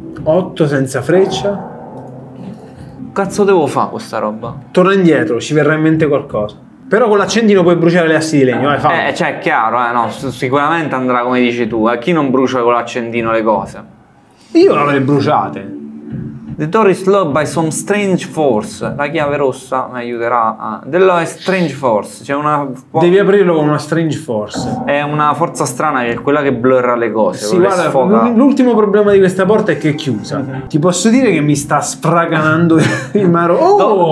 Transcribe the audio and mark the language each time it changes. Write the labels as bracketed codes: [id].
[it] 8 senza freccia. Cazzo devo fare questa roba? Torna indietro, ci verrà in mente qualcosa. Però con l'accendino puoi bruciare le assi di legno, vai, fammi. Cioè, è chiaro, no, sicuramente andrà come dici tu. Chi non brucia con l'accendino le cose? Io non le bruciate. [en] The door is locked by some strange force. [it] La chiave rossa mi aiuterà a... Della [en] strange force, [it] c'è una... Devi aprirlo con una [en] strange force. [it] È una forza strana, che è quella che blurra le cose. Sì, guarda, le sfoca. L'ultimo problema di questa porta è che è chiusa. Mm-hmm. Ti posso dire che mi sta sfraganando il maro. Oh!